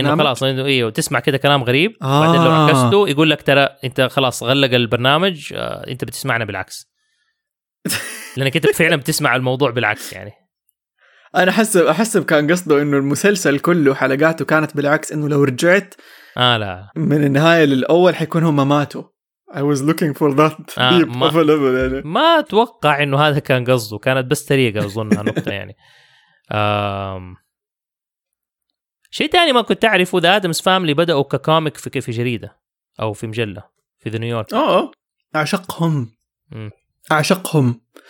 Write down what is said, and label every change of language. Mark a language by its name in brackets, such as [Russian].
[Arabic] البرنامج؟ لا انه خلاص انه ايه وتسمع كده كلام غريب بعدين لو عكسته يقول لك ترى انت خلاص غلق البرنامج انت بتسمعنا بالعكس لانك انت فعلا بتسمع الموضوع بالعكس. يعني انا احسب كان قصده انه المسلسل كله حلقاته كانت بالعكس انه لو رجعت لا من النهاية للأول حيكون هم ماتوا. [English] I was looking for that deep of a level. [Arabic] يعني. ما أتوقع إنه هذا كان قصده. كانت بس طريقة أظنها نقطة يعني. شيء تاني ما كنت أعرفه ذا آدمز فاملي بدأوا ككوميك في جريدة أو في مجلة في ذا نيويورك. أعشقهم. أعشقهم.